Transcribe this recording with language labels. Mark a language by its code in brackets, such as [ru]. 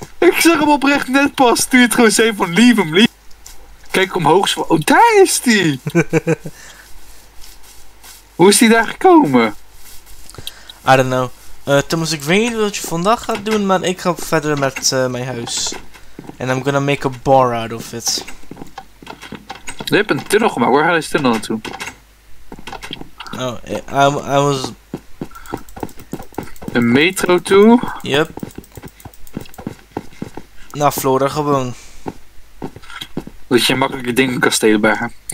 [nl] Ik zag hem oprecht net pas toen je het gewoon zei van [en] leave him, leave him. [nl] Kijk omhoog, oh daar is die! Hoe is die daar gekomen? [en] I don't know. [nl] Thomas, ik weet niet wat je vandaag gaat doen, maar ik ga verder met mijn huis. [en] And I'm gonna make a bar out of it. [nl] Je hebt een tunnel gemaakt, waar gaat deze tunnel naartoe? [en] Oh, I was... [nl] Een metro toe? [en] Yep. [nl] Naar Florida gewoon. Dat je makkelijke dingen kan stelen bij haar.